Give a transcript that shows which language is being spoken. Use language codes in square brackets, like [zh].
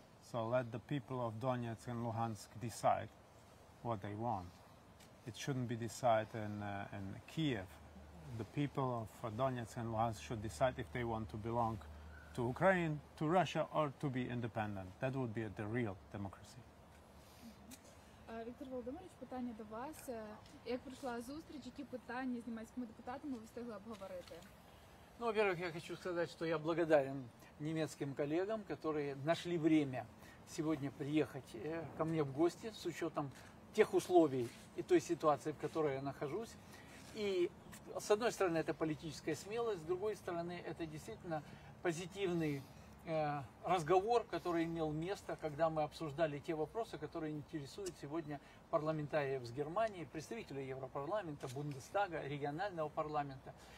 [en] So let the people of Donetsk and Luhansk decide what they want. It shouldn't be decided in Kyiv. The people of Donetsk and Luhansk should decide if they want to belong to Ukraine, to Russia, or to be independent. That would be the real democracy. [uk] Віктор Володимирович, питання до вас. Як пройшла зустріч, які питання з німецькими депутатами ви встигли обговорити? [ru] Ну, во-первых, я хочу сказать, что я благодарен немецким коллегам, которые нашли время сегодня приехать ко мне в гости с учетом тех условий и той ситуации, в которой я нахожусь. И с одной стороны, это политическая смелость, с другой стороны, это действительно позитивный разговор, который имел место, когда мы обсуждали те вопросы, которые интересуют сегодня парламентариев с Германии, представителей Европарламента, Бундестага, регионального парламента.